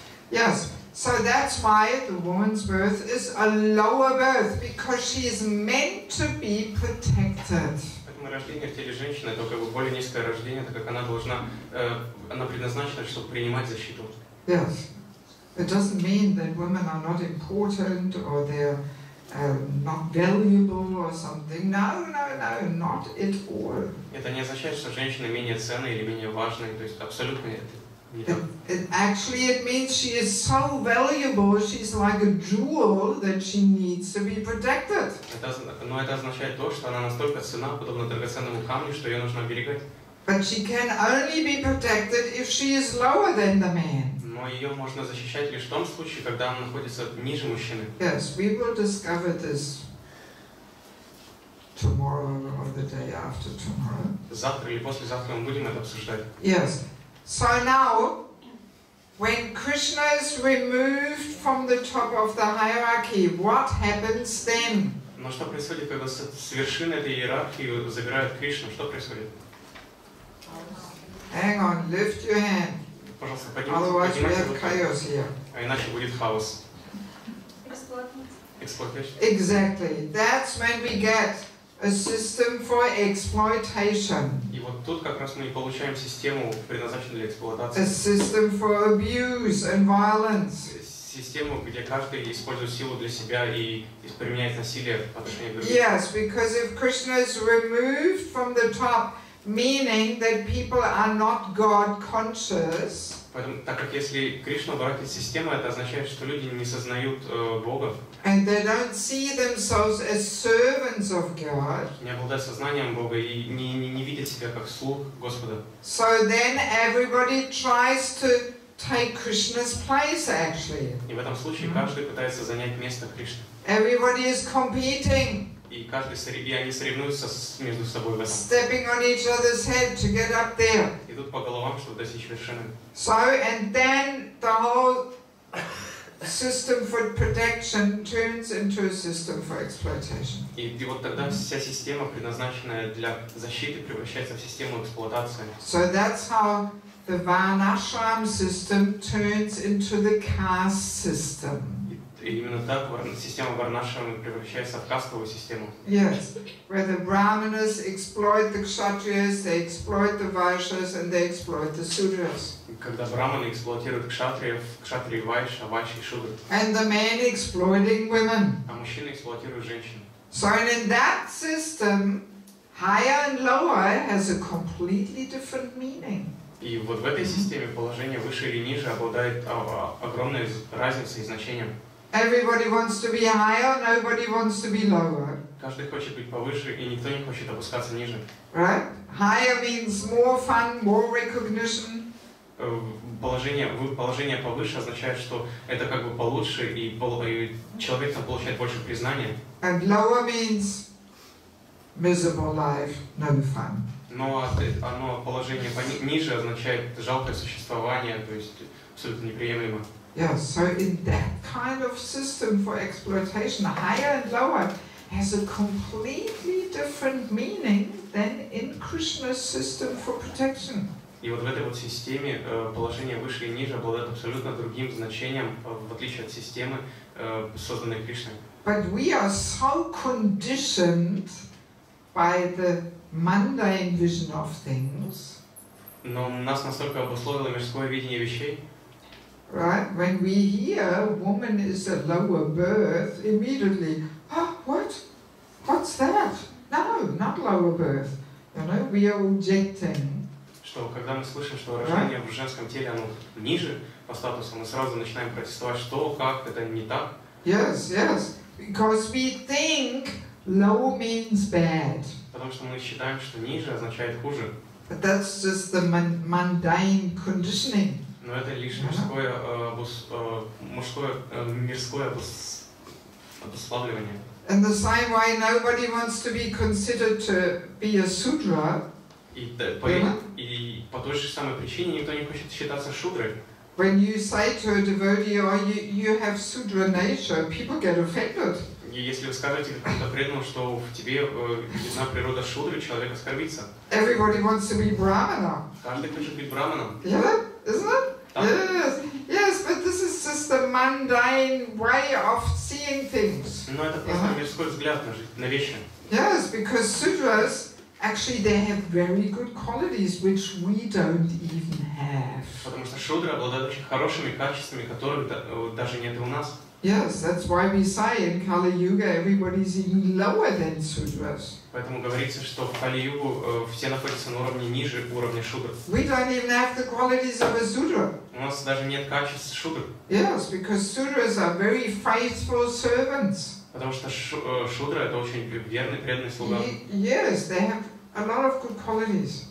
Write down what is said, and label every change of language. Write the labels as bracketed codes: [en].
[en] Yes, so that's why the woman's birth is a lower birth, because she is meant to be protected. [ru] Рождение в теле женщины — это как бы более низкое рождение, так как она должна, она предназначена, чтобы принимать защиту. [en] Yes. It doesn't mean that women are not important or they're not valuable or something. No, not at all. [ru] Это не означает, что женщина менее ценная или менее важная, то есть абсолютно не так. [en] Actually, it means she is so valuable, she's like a jewel, that she needs to be protected. [ru] Но это означает то, что она настолько ценна, подобно драгоценному камню, что ее нужно оберегать. [en] But she can only be protected if she is lower than the man. [ru] Но ее можно защищать лишь в том случае, когда она находится ниже мужчины. [en] Yes, we will discover this tomorrow or the day after tomorrow. [ru] Завтра или послезавтра мы будем это обсуждать. [en] Yes. So now, when Krishna is removed from the top of the hierarchy, what happens then? [ru] Но что происходит, когда с вершины этой иерархии забирают Кришну? Что происходит? [en] Hang on, lift your hand. [ru] Пожалуйста, поднимите. [en] Otherwise we have chaos here. [ru] А иначе будет хаос. [en] Exploitation. Exactly. That's when we get a system for exploitation. [ru] И вот тут как раз мы и получаем систему, предназначенную для эксплуатации. [en] A system for abuse and violence. [ru] Систему, где каждый использует силу для себя и применяет насилие по отношению к другим. [en] Yes, because if Krishna is removed from the top, meaning that people are not God conscious. [ru] Поэтому, так как если Кришна убрать из системы, это означает, что люди не сознают Бога. [en] And they don't see themselves as servants of God. [ru] Не обладая сознанием Бога и не видят себя как слуг Господа. [en] So then everybody tries to take Krishna's place, actually. [ru] И в этом случае каждый пытается занять место Кришны. [en] Everybody is competing. [ru] И каждый они соревнуются между собой в этом. [en] Stepping on each other's head to get up there. [ru] Идут по головам, чтобы достичь вершины. [en] So and then the whole system for protection turns into a system for exploitation. [ru] И вот тогда вся система, предназначенная для защиты, превращается в систему эксплуатации. [en] So that's how the Varnashram system turns into the caste system. [ru] И именно так система Варнашрама превращается в кастовую систему. [en] Yes, where the brahmanas exploit the kshatriyas, they exploit the vaishyas, and they exploit the sudras. [ru] Когда брахманы эксплуатируют кшатрий, вайш, авачи и шудры. [en] And the men exploiting women. [ru] А мужчины эксплуатируют женщин. [en] So in that system, higher and lower has a completely different meaning. [ru] И вот в этой системе положение выше или ниже обладает огромной разницей и значением. [en] Everybody wants to be higher, nobody wants to be lower. [ru] Каждый хочет быть повыше, и никто не хочет опускаться ниже. [en] Right? Higher means more fun, more recognition. [ru] Положение повыше означает, что это как бы получше, и человек там получает больше признания. [en] And lower means miserable life, no fun. [ru] Но оно положение ниже означает жалкое существование, то есть абсолютно неприемлемо. [en] Yes, so in that kind of system for exploitation, higher and lower has a completely different meaning than in Krishna's system for protection. [ru] И вот в этой вот системе положение выше и ниже обладает абсолютно другим значением, в отличие от системы, созданной Кришной. [en] But we are so conditioned by the mundane vision of things. [ru] Но нас настолько обусловило мирское видение вещей. [en] Right? When we hear woman is a lower birth, immediately, what? What's that? No, not lower birth. You know, we are objecting. [ru] Что когда мы слышим, что рождение в женском теле, оно ниже по статусу, мы сразу начинаем протестовать, что, как, это не так. [en] Yes, yes. Because we think low means bad. [ru] Потому что мы считаем, что ниже означает хуже. [en] But that's just the mundane conditioning. [ru] Но это лишь мирское обуславливание. [en] In the same way, nobody wants to be considered to be a sudra. [ru] И по той же самой причине никто не хочет считаться шудрой. [en] When you say to a devotee, "Oh, you have sudra nature," people get offended. [ru] Если вы скажете какому-то преданному, что в тебе видна природа шудры, человек оскорбится. [en] Everybody wants to be brahmana. [ru] Каждый хочет быть брахманом. [en] Yeah, isn't it? Yes, yes, but this is just a mundane way of seeing things. [ru] Но это просто мирской взгляд на жизнь, на вещи. [en] Yes, because sudras. Actually, they have very good qualities which we don't even have. [ru] Потому что шудры обладают очень хорошими качествами, которых даже нет у нас. [en] Yes, that's why we say in Kali Yuga everybody's even lower than sudras. [ru] Поэтому говорится, что в Кали Югу все находятся на уровне ниже уровня шудр. [en] We don't even have the qualities of a sudra. [ru] У нас даже нет качеств шудр. [en] Yes, because sudras are very faithful servants. [ru] Потому что шудра это очень верный, преданный слуга. [en] Yes, they have a lot of good qualities.